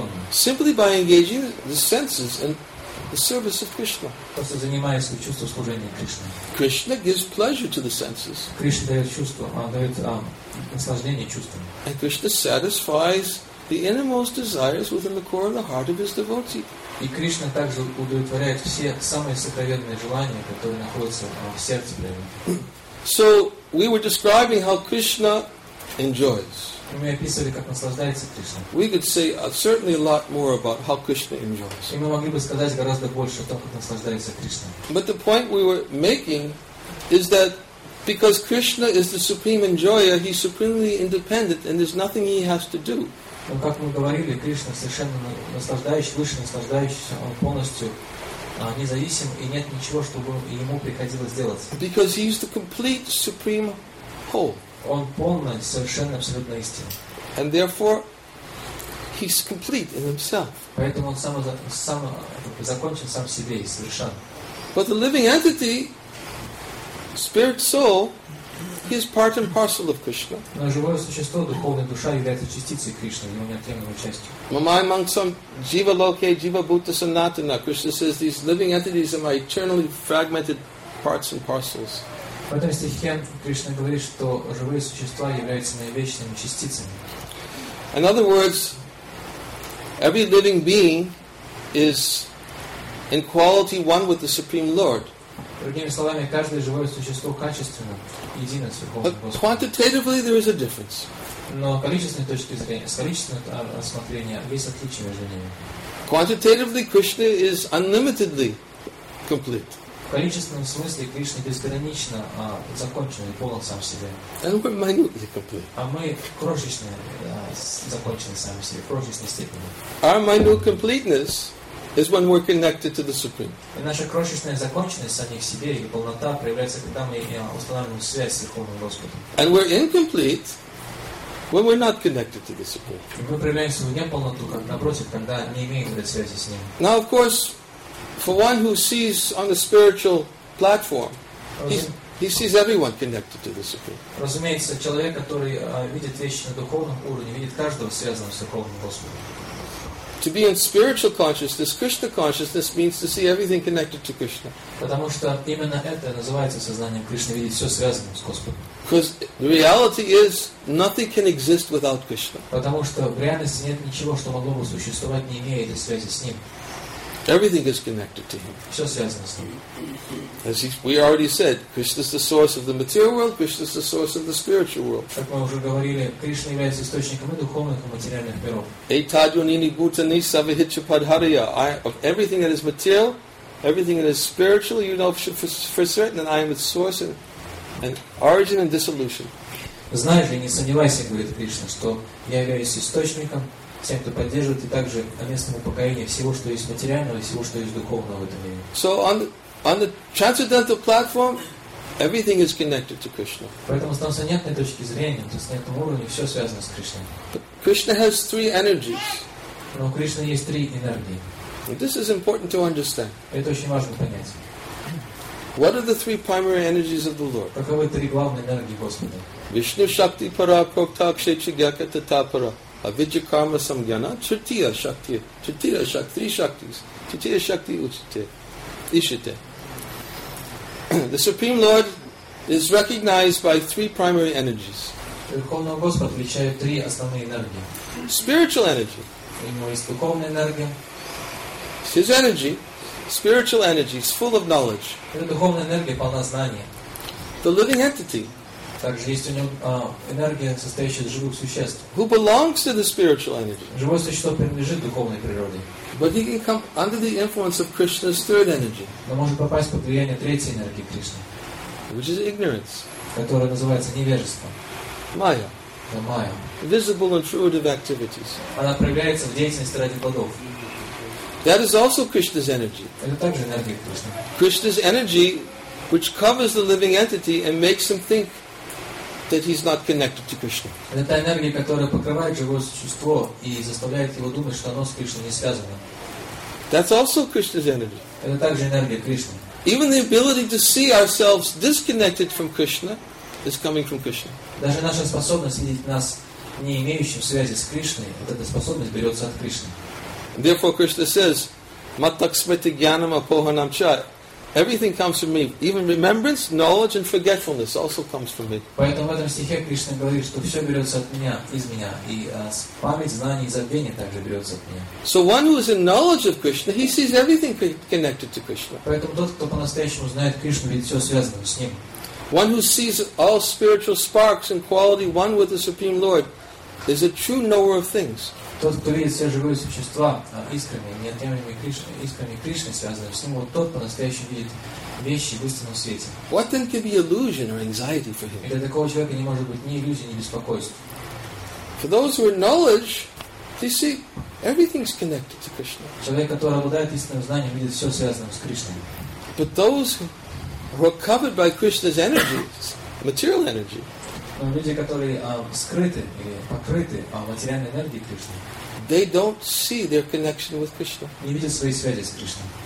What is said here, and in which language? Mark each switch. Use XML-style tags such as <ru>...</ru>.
<en>Simply by engaging the senses in the service of Krishna.</en> <ru>Просто занимаясь чувством служения Кришне.</ru> <en>Krishna gives pleasure to the senses.</en> <ru>Кришна дает чувство, он дает наслаждение чувствами.</ru> <en>And Krishna satisfies the innermost desires within the core of the heart of his devotee.</en> <ru>И Кришна также удовлетворяет все самые сокровенные желания, которые находятся в сердце преданного.</ru> <en>So we were describing how Krishna enjoys.</en> <ru>Мы описывали, как наслаждается Кришна.</ru> <en>We could say certainly a lot more about how Krishna enjoys.</en> <ru>И мы могли бы сказать гораздо больше о том, как наслаждается Кришна.</ru> <en>But the point we were making is that because Krishna is the supreme enjoyer, he's supremely independent and there's nothing he has to do.</en> <ru>Но как мы говорили, Кришна совершенно наслаждающий, выше наслаждающийся, он полностью независим и нет ничего, чтобы ему приходилось делать.</ru> <en>Because he's the complete supreme whole.</en> <ru>Он полная, совершенно абсолютная истина.</ru> <en>And therefore, he's complete in himself.</en> <ru>Поэтому он сам закончен сам себе и совершен.</ru> <en>But the living entity, spirit soul, he is part and parcel of Krishna.</en> <ru>Но живое существо, духовная душа, является частицей Кришны, его неотъемлемой частью.</ru> <sa>Mamai mangsam jiva loke jiva bhuta sanatana.</sa> <en>Krishna says these living entities are my eternally fragmented parts and parcels.</en> <ru>В этом стихе Кришна говорит, что живые существа являются наивечными частицами.</ru> <en>In other words, every living being is in quality one with the Supreme Lord.</en> <ru>Другими словами, каждое живое существо качественно едино с Верховным Господом.</ru> <en>Quantitatively there is a difference.</en> <ru>Но с количественного рассмотрения есть отличие между ними.</ru> <en>Quantitatively Krishna is unlimitedly complete.</en> <ru>В количественном смысле Кришна безгранично закончен и полон сам себе.</ru> <en>And we're minutely complete.</en> <ru>А мы крошечные, закончены сами себе, в крошечной степени.</ru> <en>Our minute completeness is when we're connected to the Supreme.</en> <ru>И наша крошечная законченность самих себе и полнота проявляется, когда мы устанавливаем связь с Верховным Господом.</ru> <en>And we're incomplete when we're not connected to the Supreme.</en> <ru>И мы проявляем свою неполноту, как напротив, когда не имеем этой связи с Ним.</ru> <en>Now, of course, for one who sees on the spiritual platform, he sees everyone connected to the Supreme.</en> <ru>Разумеется, человек, который видит вещи на духовном уровне, видит каждого связанного с Верховным Господом.</ru> <en>To be in spiritual consciousness, Krishna consciousness, means to see everything connected to Krishna.</en> <ru>Потому что именно это называется сознанием Кришны, видеть все связанным с Господом.</ru> <en>Because the reality is nothing can exist without Krishna.</en> <ru>Потому что в реальности нет ничего, что могло бы существовать, не имея этой связи с Ним.</ru> <en>Everything is connected to Him.</en> <ru>Все связано с Ним.</ru> <en>As we already said, Krishna is the source of the material world. Krishna is the source of the spiritual world.</en> <ru>Как мы уже говорили, Кришна является источником и духовных, и материальных миров.</ru> <sa>Этаджунини бутани савихича падхария.</sa> <en>I of everything that is material, everything that is spiritual, you know for certain that I am its source and origin and dissolution.</en> <ru>Знаешь ли, не сомневайся, говорит Кришна, что я являюсь источником, тем, кто поддерживает, и также местному покорению всего, что есть материального, и всего, что есть духовного в этом мире.</ru> <en>So on the transcendental platform, everything is connected to Krishna.</en> <ru>Поэтому с трансцендентной точки зрения, то есть на этом уровне все связано с Кришной.</ru> <en>But Krishna has three energies.</en> <ru>Но у Кришны есть три энергии.</ru> <en>And this is important to understand.</en> <ru>Это очень важно понять.</ru> <en>What are the three primary energies of the Lord?</en> <ru>Каковы три главные энергии Господа?</ru> <sa>Vishnu Shakti Para Prokta Kshetri Gyaka Tatapara Avidya Karma Samgyana Tritiya Shakti Tritiya Shakti</sa> <en>Three Shaktis</en> <sa>Tritiya Shakti Uchite Ishite.</sa> <en>The Supreme Lord is recognized by three primary energies.</en> <ru>Верховного Господа отличают три основные энергии.</ru> <en>Spiritual energy.</en> <ru>Его есть духовная энергия.</ru> <en>His energy, spiritual energy, is full of knowledge.</en> <ru>Его духовная энергия полна знания.</ru> <en>The living entity.</en> <ru>Также есть у него энергия, состоящая из живых существ.</ru> <en>Who belongs to the spiritual energy?</en> <ru>Живое существо принадлежит духовной природе.</ru> <en>But he can come under the influence of Krishna's third energy.</en> <ru>Но может попасть под влияние третьей энергии Кришны.</ru> <en>Which is ignorance.</en> <ru>Которая называется невежество. Майя. Да, майя.</ru> <en>Visible intuitive activities.</en> <ru>Она проявляется в деятельности ради плодов.</ru> <en>That is also Krishna's energy.</en> <ru>Это также энергия Кришны.</ru> <en>Krishna's energy, which covers the living entity and makes him think that he's not connected to Krishna.</en> <ru>Это та энергия, которая покрывает живое существо и заставляет его думать, что оно с Кришной не связано.</ru> <en>That's also Krishna's energy.</en> <ru>Это также энергия Кришны.</ru> <en>Even the ability to see ourselves disconnected from Krishna is coming from Krishna.</en> <ru>Даже наша способность видеть нас, не имеющим связи с Кришной, вот эта способность берется от Кришны.</ru> <en>Therefore Krishna says,</en> <sa>Matak smriti gyanam apohanam cha.</sa> <en>Everything comes from me. Even remembrance, knowledge and forgetfulness also comes from me.</en> <ru>Поэтому в этом стихе Кришна говорит, что все берется от меня, из меня. И память, знание и забвение также берется от меня.</ru> <en>So one who is in knowledge of Krishna, he sees everything connected to Krishna.</en> <ru>Поэтому тот, кто по-настоящему знает Кришну, видит все связанное с Ним.</ru> <en>One who sees all spiritual sparks and quality one with the Supreme Lord is a true knower of things.</en> <ru>Тот, кто видит все живые существа искренне, неотъемлемыми Кришной, искренне Кришной связанными с Ним, вот тот по-настоящему видит вещи в истинном свете.</ru> <en>What then can be illusion or anxiety for him?</en> <ru>И для такого человека не может быть ни иллюзии, ни беспокойства.</ru> <en>For those who are knowledge, they see everything's connected to Krishna.</en> <ru>Человек, который обладает истинным знанием, видит все связанное с Кришной.</ru> <en>But those who are covered by Krishna's energies, material energy.</en> <ru>Но люди, которые скрыты или покрыты материальной энергией Кришны,</ru> <en>they don't see their connection with Krishna.</en> <ru>Не видят свои связи с Кришной.</ru>